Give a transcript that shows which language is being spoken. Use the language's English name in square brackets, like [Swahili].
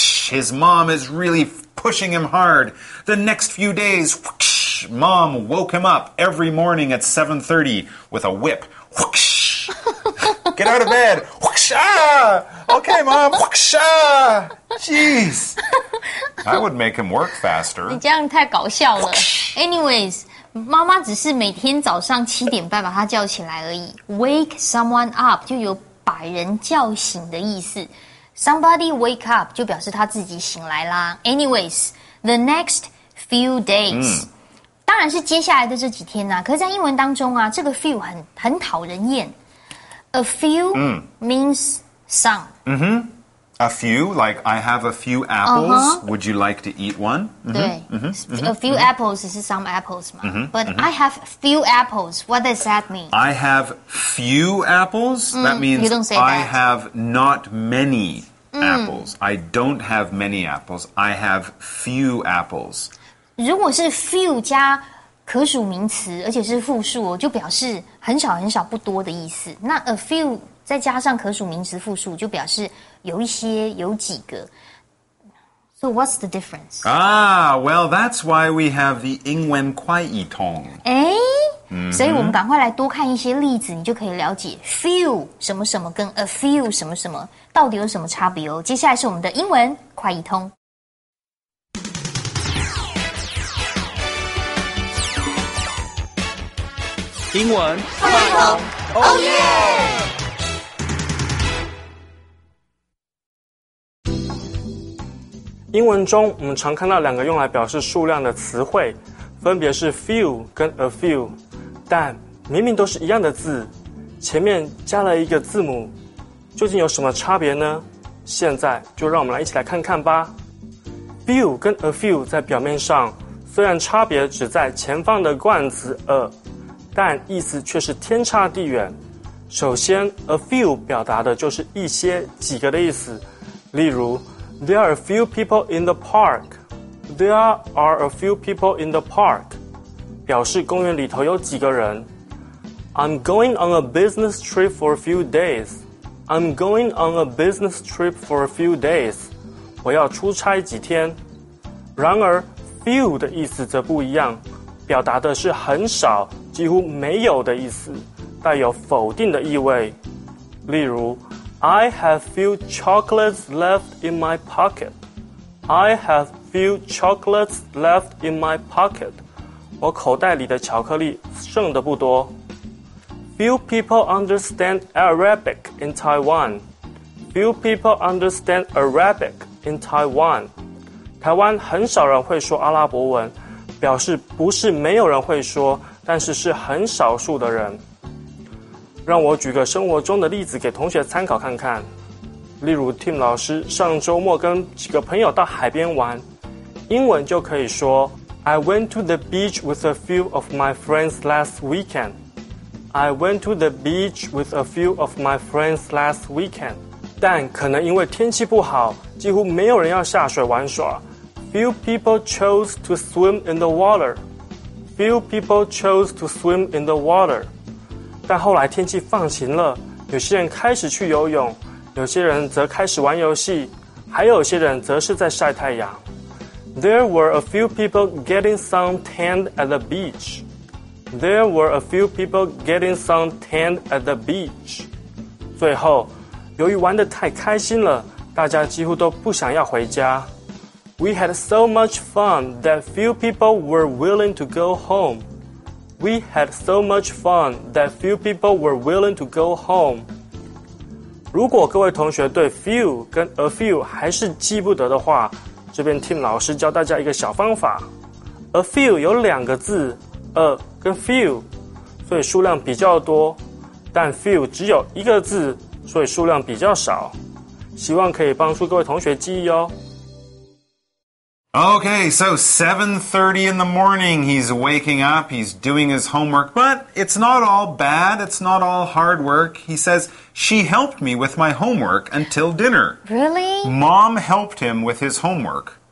[English] His mom is really pushing him hard. The next few days, Mom woke him up every morning at 7:30 with a whip. Whoosh! Get out of bed! Whoosh! Ah! Okay, Mom! Whoosh! Ah! Jeez! That would make him work faster. You're so funny. Anyways, [Chinese] 妈妈只是每天早上七点半把他叫起来而已。 [English] Wake someone up [Chinese] 就有把人叫醒的意思。 [English] Somebody wake up [Chinese] 就表示他自己醒来啦。 [English] Anyways, the next few days、 [Chinese] 当然是接下来的这几天啊，可是在英文当中啊，这个 few 很讨人厌。 [English] A few、means some. A few, like I have a few apples,、would you like to eat one? A few apples is some apples, but I have few apples, what does that mean? I have few apples,、that means I have not many、apples. I don't have many apples, I have few apples. [Chinese] 如果是 few 加可数名词而且是复数、就表示很少很少不多的意思。那 a few 再加上可数名词复数就表示有一些有几个。 [English] So what's the difference? Ah, well, that's why we have the 英文快译通。 [Chinese] 所以我们赶快来多看一些例子，你就可以了解 few 什么什么跟 a few 什么什么到底有什么差别哦。接下来是我们的英文快译通。英文快译通 [English] ，Oh yeah! [Chinese] 英文中我们常看到两个用来表示数量的词汇，分别是 few 跟 a few， 但明明都是一样的字，前面加了一个字母，究竟有什么差别呢？现在就让我们来一起来看看吧。few 跟 a few 在表面上虽然差别只在前方的冠词 a， 但意思却是天差地远。首先 a few 表达的就是一些几个的意思，例如 [English] There are a few people in the park. There are a few people in the park. [Chinese] 表示公园里头有几个人。 [English] I'm going on a business trip for a few days. I'm going on a business trip for a few days. [Chinese] 我要出差几天。然而 few 的意思则不一样，表达的是很少，几乎没有的意思，带有否定的意味。例如 [English] I have few chocolates left in my pocket. I have few chocolates left in my pocket. [Chinese] 我口袋里的巧克力剩的不多。 [English] Few people understand Arabic in Taiwan. Few people understand Arabic in Taiwan. [Chinese] 台湾很少人会说阿拉伯文，表示不是没有人会说，但是是很少数的人。让我举个生活中的例子给同学参考看看。例如 Tim 老师上周末跟几个朋友到海边玩，英文就可以说 [English] I went to the beach with a few of my friends last weekend. I went to the beach with a few of my friends last weekend. [Chinese] 但可能因为天气不好，几乎没有人要下水玩耍。 [English] Few people chose to swim in the water. Few people chose to swim in the water. [Chinese] 但后来天气放晴了，有些人开始去游泳，有些人则开始玩游戏，还有些人则是在晒太阳。 [English] There were a few people getting some tanned at the beach. There were a few people getting some tanned at the beach. [Chinese] 最后，由于玩得太开心了，大家几乎都不想要回家。 [English] We had so much fun that few people were willing to go home. We had so much fun that few people were willing to go home. [Chinese] 如果各位同学对 few 跟 a few 还是记不得的话，这边 Tim 老师教大家一个小方法。 A few 有两个字 a 跟 few， 所以数量比较多，但 few 只有一个字，所以数量比较少，希望可以帮助各位同学记忆哦。 [English] Okay, so 7:30 in the morning, he's waking up, he's doing his homework, but it's not all bad, it's not all hard work. He says, she helped me with my homework until dinner. Really? Mom helped him with his homework.